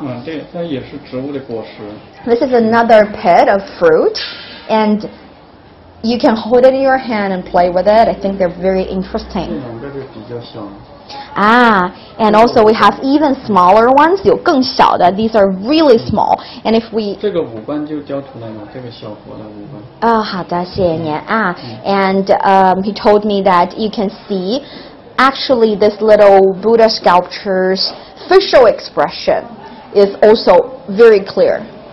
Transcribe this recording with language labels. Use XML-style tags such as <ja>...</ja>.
<zh>嗯，这也是植物的果实。</zh> <en>This is another pit of fruit, and you can hold it in your hand and play with it. I think they're very interesting.</en> <zh>这两个是比较小。</zh> <en>Ah, and also we have even smaller ones,</en> <zh>有更小的</zh> <en>these are really small. And if we...</en> <zh>这个五官就雕出来了，这个小佛的五官。哦，好的，谢谢您。</zh> <en>Ah, and he told me that you can see, actually, this little Buddha sculpture's facial expression is also very clear.</en>